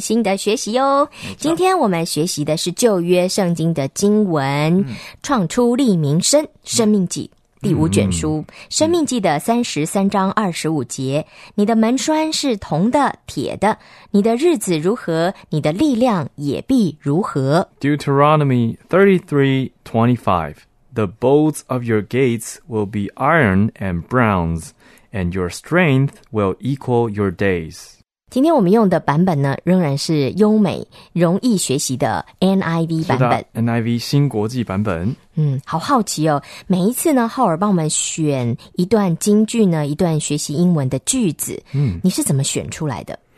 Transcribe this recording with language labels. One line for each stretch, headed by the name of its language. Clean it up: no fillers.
Chinese: 新的学习哦。今天我们学习的是旧约圣经的经文、创出立民生生命记第五卷书、生命记的33:25。你的门栓是铜的铁的，你的日子如何，你的力量也必如何。
English: Deuteronomy 33:25。 The bolts of your gates will be iron and bronze, and your strength will equal your days.
Chinese: 今天我们用的版本呢，仍然是优美、容易学习的 NIV 版本。 NIV 新国际版本。好好奇哦，每一次呢，浩尔帮我们选一段金句呢，一段学习英文的句子。你是怎么选出来的？